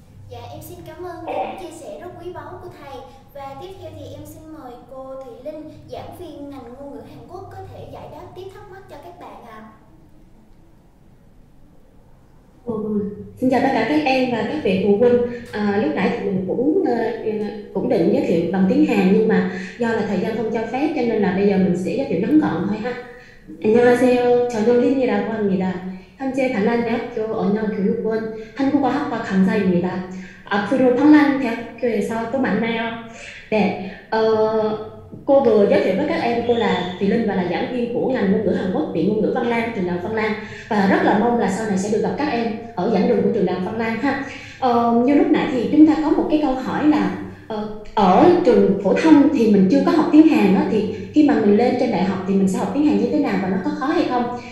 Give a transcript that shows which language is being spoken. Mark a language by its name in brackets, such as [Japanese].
[Vietnamese] Dạ, em xin cảm ơn những chia sẻ rất quý báu của thầy. Và tiếp theo thì em xin mời cô Thị Linh, giảng viên ngành ngôn ngữ Hàn Quốc, có thể giải đáp tiếp thắc mắc cho các bạn ạ. Xin chào tất cả các em và các vị phụ huynh. Lúc nãy thì mình cũng định giới thiệu bằng tiếng Hàn nhưng mà do là thời gian không cho phép cho nên là bây giờ mình sẽ giới thiệu ngắn gọn thôi ha. [Korean] 안녕하세요. 저는 린이라고 합니다. 현재 방란 대학교 언어 교육원 한국어 학과 강사입니다. 앞으로 방란 대학교에서 또 만나요. 네. [Vietnamese] 쿠 giới thiệu với các em, cô là Thị Linh và là giảng viên của ngành ngôn ngữ Hàn Quốc, viện ngôn ngữ Văn Lang, trường đại học Văn Lang, và rất là mong là sau này sẽ được gặp các em ở giảng đường của trường đại học Văn Lang ha. Như lúc nãy thì chúng ta có một cái câu hỏi là ở trường phổ thông thì mình chưa có học tiếng Hàn đó, thì khi mà mình lên trên đại học thì mình sẽ học tiếng Hàn như thế nào và nó có khó hay không?